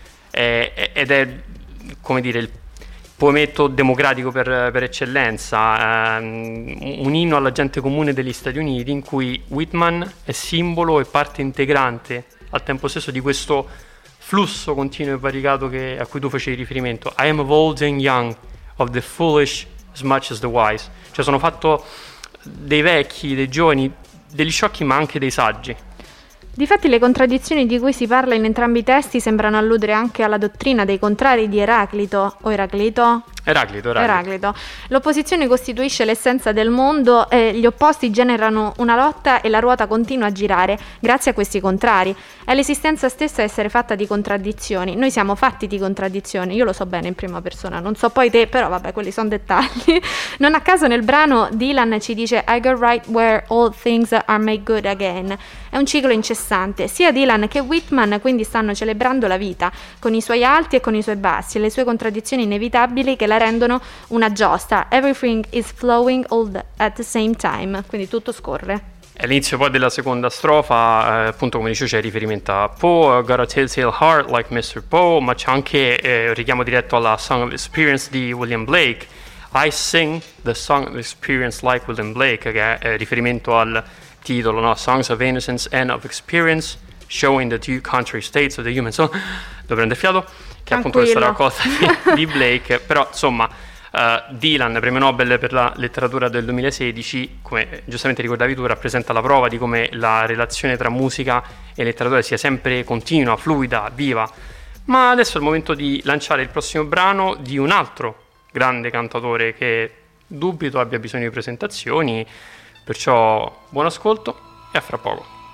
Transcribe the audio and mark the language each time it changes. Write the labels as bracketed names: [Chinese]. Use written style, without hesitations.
[Italian] Ed è, come dire, il poemetto democratico per eccellenza, un inno alla gente comune degli Stati Uniti, in cui Whitman è simbolo e parte integrante al tempo stesso di questo flusso continuo e variegato a cui tu facevi riferimento. [English] I am of old and young, of the foolish as much as the wise. [Italian] Cioè, sono fatto dei vecchi, dei giovani, degli sciocchi ma anche dei saggi. Difatti le contraddizioni di cui si parla in entrambi i testi sembrano alludere anche alla dottrina dei contrari di Eraclito. O Eraclito? Eraclito. L'opposizione costituisce l'essenza del mondo, gli opposti generano una lotta e la ruota continua a girare grazie a questi contrari. È l'esistenza stessa essere fatta di contraddizioni. Noi siamo fatti di contraddizioni, io lo so bene in prima persona, non so poi te, però vabbè, quelli sono dettagli. Non a caso nel brano Dylan ci dice [English] I go right where all things are made good again. [Italian] È un ciclo incessante. Sia Dylan che Whitman quindi stanno celebrando la vita con i suoi alti e con i suoi bassi e le sue contraddizioni inevitabili che la rendono una giosta. [English] Everything is flowing all at the same time. [Italian] Quindi tutto scorre. È l'inizio poi della seconda strofa, appunto come dicevo c'è riferimento a Poe, [English] got a telltale heart like Mr. [Italian] Poe, ma c'è anche un richiamo diretto alla Song of Experience di William Blake. [English] I sing the Song of Experience like William Blake, [Italian] che è riferimento al titolo, no? [English] Songs of Innocence and of Experience, showing the two contrary states of the human soul. [Italian] Lo prende fiato? Che appunto questa è la cosa di Blake, però insomma, Dylan, premio Nobel per la letteratura del 2016, come giustamente ricordavi tu, rappresenta la prova di come la relazione tra musica e letteratura sia sempre continua, fluida, viva. Ma adesso è il momento di lanciare il prossimo brano di un altro grande cantatore che dubito abbia bisogno di presentazioni, perciò buon ascolto e a fra poco.